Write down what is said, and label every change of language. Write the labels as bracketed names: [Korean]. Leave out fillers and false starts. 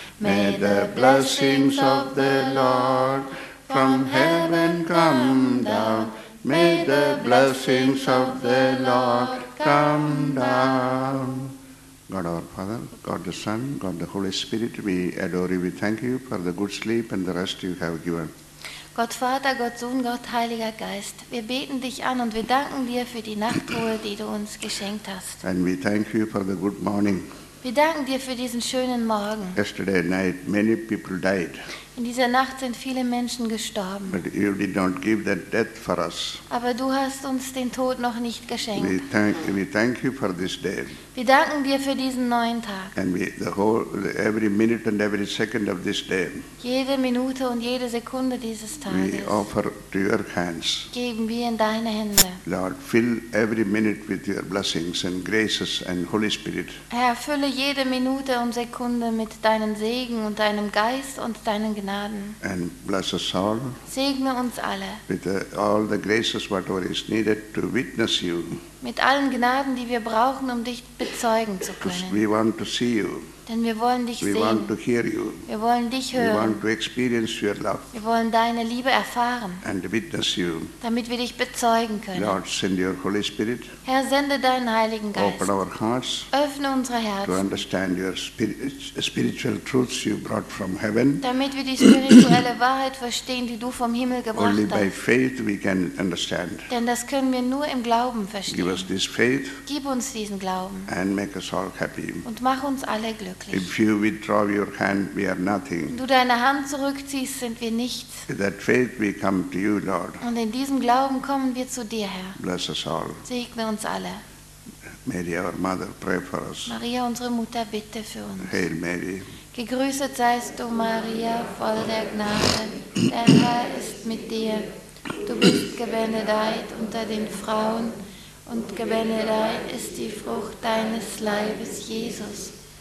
[English] May the blessings of the Lord from heaven come down. May the blessings of the Lord come down. God our Father, God the Son, God the Holy Spirit, we adore you, we thank you for the good sleep and the rest you have given. [German] Gott Vater, Gott Sohn, Gott Heiliger Geist, wir beten dich an und wir danken dir für die Nachtruhe, die du uns geschenkt hast. [English] And we thank you for the good morning. [German] Wir danken dir für diesen schönen Morgen. [English] Yesterday night many people died. [German] In dieser Nacht sind viele Menschen gestorben. [English] But you did not give that death for us. [German] Aber du hast uns den Tod noch nicht geschenkt. [English] We thank you for this day. [German] Wir danken dir für diesen neuen Tag. [English] And every minute and every second of this day. [German] Jede Minute und jede Sekunde dieses Tages. [English] We offer to your hands. [German] Geben wir in deine Hände. [English] Lord, fill every minute with your blessings and graces and Holy Spirit. [German] Herr, fülle jede Minute und Sekunde mit deinen Segen und deinem Geist und deinen Gnaden. [English] And bless us all. [German] Segne uns alle. [English] With all the graces whatever is needed to witness you. [German] Mit allen Gnaden, die wir brauchen, um dich bezeugen zu können. [English] We want to see you. [German] Denn wir wollen dich [English] we [German] sehen. [English] We want to hear you. [German] Wir wollen dich hören. [English] We want to experience your love. [German] Wir wollen deine Liebe erfahren. [English] And witness you. [German] Damit wir dich bezeugen können. [English] Lord, send your Holy Spirit. [German] Herr, sende deinen Heiligen Geist. [English] Open our hearts. [German] Öffne unsere Herzen. [English] To understand your spiritual truths you brought from heaven. [German] Damit wir die spirituelle Wahrheit verstehen, die du vom Himmel gebracht [English] only [German] hast. [English] By faith we can understand. [German] Denn das können wir nur im Glauben verstehen. [English] Give us this faith. [German] Gib uns diesen Glauben. [English] And make us all happy. [German] Und mach uns alle glücklich. [English] If you withdraw your hand, we are nothing. [German] Du deine Hand zurückziehst, sind wir nichts. [English] With that faith, we come to you, Lord. [German] Und in diesem Glauben kommen wir zu dir, Herr. [English] Bless us all. [German] Segne uns alle. [English] Mary, our mother, pray for us. [German] Maria, unsere Mutter, bitte für uns. [English] Hail Mary. [German] Gegrüßet seist du, Maria, voll der Gnade. Der Herr ist mit dir. Du bist gebenedeit unter den Frauen und gebenedeit ist die Frucht deines Leibes, Jesus.